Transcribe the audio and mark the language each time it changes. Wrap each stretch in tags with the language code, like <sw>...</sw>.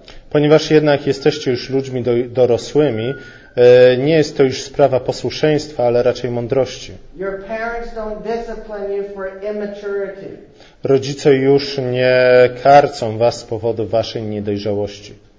<pl>Ponieważ jednak jesteście już ludźmi dorosłymi, nie jest to już sprawa posłuszeństwa, ale raczej mądrości.</pl> <en>Your parents don't discipline you for immaturity.</en> <pl>Rodzice już nie karcą was z powodu waszej niedojrzałości.</pl>